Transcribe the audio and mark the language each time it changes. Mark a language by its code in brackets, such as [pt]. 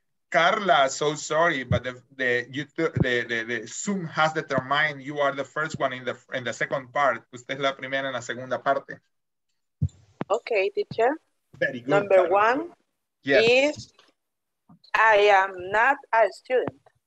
[en] Carla, so sorry, but the Zoom has determined you are the first one in the second part. [es] Usted es la primera en la segunda parte. [en] Okay, teacher. Very good. Number one is I am not a student.